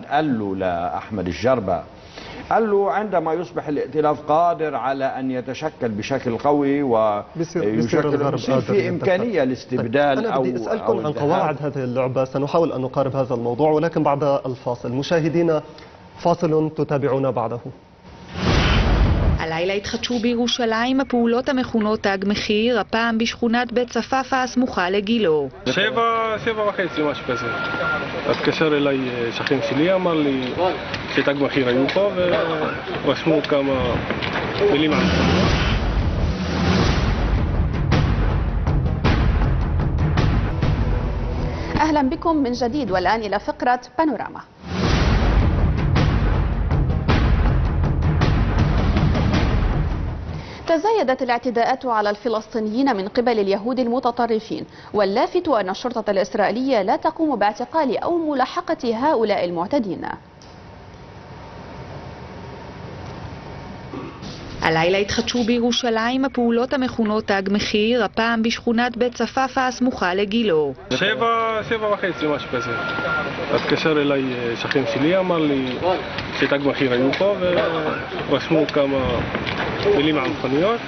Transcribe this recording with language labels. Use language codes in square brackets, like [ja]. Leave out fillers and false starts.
[ar] بلاند قال له لأحمد الجربة، قال له عندما يصبح الائتلاف قادر على أن يتشكل بشكل قوي ويشكل في إمكانية الاستبدال. طيب. أنا بدي أسألكم عن قواعد هذه اللعبة، سنحاول أن نقارب هذا الموضوع ولكن بعد الفاصل. مشاهدينا فاصل تتابعونا بعده. [he] הלילה התחדשו בירושלים הפעולות המכונות תג מחיר, הפעם בשכונת בית צפפה הסמוכה לגילו. שבע וחצי, משהו כזה. התקשר אליי שכן שלי, אמר לי שתג מחיר היו פה ורשמו כמה מילים על זה. [ar] אהלא בכם من جديد والآن إلى فقرة بانوراما. تزايدت الاعتداءات على الفلسطينيين من قبل اليهود المتطرفين، واللافت أن الشرطة الإسرائيلية لا تقوم باعتقال أو ملاحقة هؤلاء المعتدين. [he] הלילה התחדשו בירושלים הפעולות המכונות תג מחיר, הפעם בשכונת בית צפפה הסמוכה לגילו. שבע וחצי, משהו כזה. התקשר אליי שכן שלי, אמר לי שתג מחיר היו פה ורשמו כמה מילים על מכוניות.